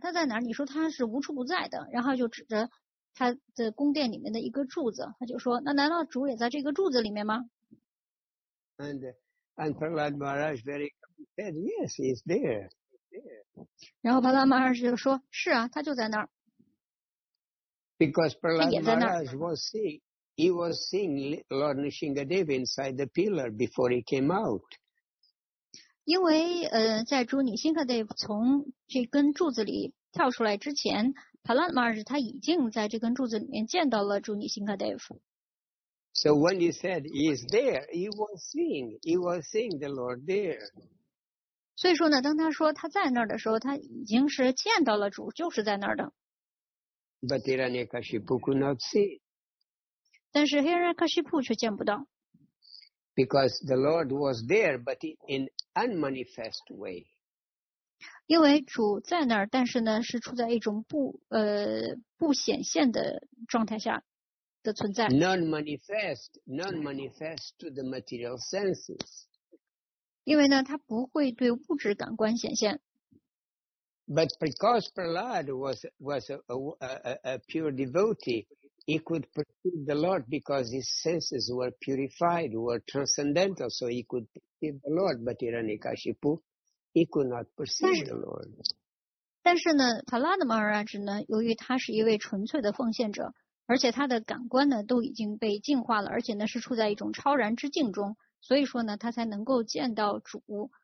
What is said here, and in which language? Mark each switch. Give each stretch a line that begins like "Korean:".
Chinese: 他在哪儿？你说他是无处不在的，然后就指着他的宫殿里面的一个柱子，他就说那难道主也在这个柱子里面吗？
English: And Prahlad Maharaj very said, yes, he's there. Yeah.
Chinese: 然后 Prahlad Maharaj 就说是啊，他就在那儿。
English: Because Prahlad Maharaj was seeing, he was seeing Lord Nrisimhadeva inside the pillar before he came out.
Chinese: 因为在主女辛克德从这根柱子里跳出来之前 ，Prahlad Maharaj 他已经在这根柱子里面见到了主女辛克德。
English: So when he said he is there, he was seeing the Lord there.
Chinese: 所以说呢，当他说他在那儿的时候，他已经是见到了主，就是在那儿的。
English: But Hiranyakashipu could not see.
Chinese: 但是 Hiranyakashipu 却见不到。
English: Because the Lord was there, but in unmanifest way.
Chinese: 因为主在那儿，但是呢，是处在一种不显现的状态下。
English: Non-manifest to the material senses.
Chinese: 因为呢，它不会对物质感官显现。
English: But because Prahlad was a pure devotee, he could perceive the Lord because his senses were purified, were transcendental, so he could perceive the Lord. But Hiranyakashipu, he could not perceive the Lord.
Chinese: 但是呢 ，Prahlad Maharaj 呢，由于他是一位纯粹的奉献者。而且他的感官呢都已经被净化了，而且呢是处在一种超然之境中，所以说呢他才能够见到主。